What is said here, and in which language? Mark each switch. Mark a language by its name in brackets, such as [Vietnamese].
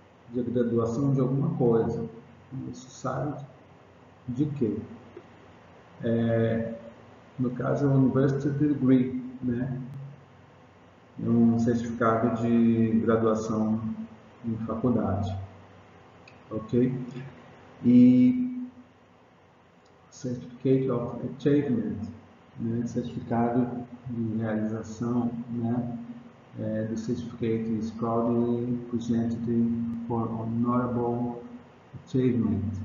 [Portuguese] De graduação de alguma coisa. Você sabe de quê? No caso, é um University Degree, né? Um certificado de graduação em faculdade. Ok? E Certificate of Achievement, né? Certificado de realização, né? [English] Do Certificate is proudly presented for honorable achievement.